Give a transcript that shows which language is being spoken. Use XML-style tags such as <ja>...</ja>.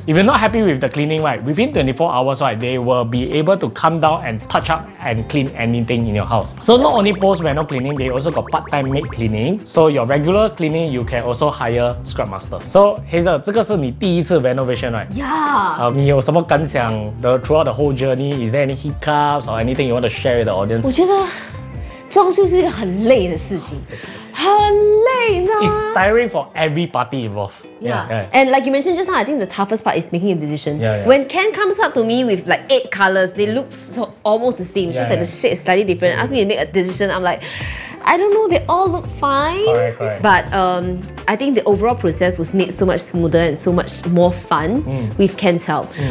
<en>If you're not happy with the cleaning, right, within 24 hours, right, they will be able to come down and touch up and clean anything in your house. So not only post-reno cleaning, they also got part-time maid cleaning. So your regular cleaning, you can also hire scrubmaster. So Hazel,</en> <zh>这个是你第一次</zh> <en>renovation, right? Yeah.</en> <zh>你有什么感想</zh> <en>throughout the whole journey? Is there any hiccups or anything you want to share with the audience?</en> <zh>我觉得装修是一个很累的事情，很累呢。</zh> <en>It's tiring for every party involved. Yeah. Yeah. And like you mentioned just now, I think the toughest part is making a decision. Yeah, yeah. When Ken comes up to me with like 8 colors, they look so almost the same. Yeah, just like the shade is slightly different. Ask me to make a decision, I'm like, I don't know, they all look fine. Correct, correct. But I think the overall process was made so much smoother and so much more fun with Ken's help. Mm.</en>